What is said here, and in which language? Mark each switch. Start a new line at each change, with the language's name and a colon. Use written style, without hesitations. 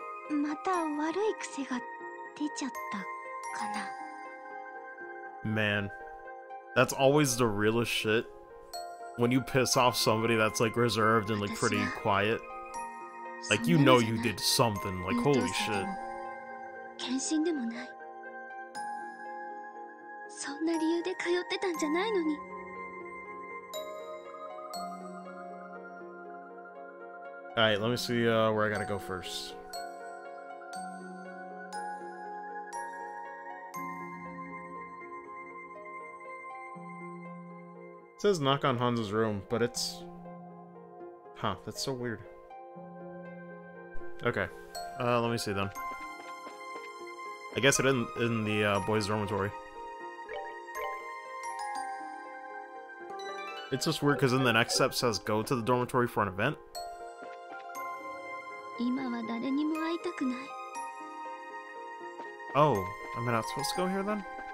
Japanese: また悪い癖が出ちゃったかな。
English: Man, that's always the realest shit. When you piss off somebody that's like reserved and like pretty quiet. Like, you know you did something. Like, holy shit.
Japanese: 献身でもない。そんな理由で通ってたんじゃないのに。
English: Alright, let me see、where I gotta go first. It says knock on Hanzo's room, but it's... Huh, that's so weird. Okay, let me see then. I guess it in the、boys' dormitory. It's just weird because in the next step says go to the dormitory for an event.
Japanese: 今は誰にも会いたくない。
English: Oh, am I not supposed to go here then?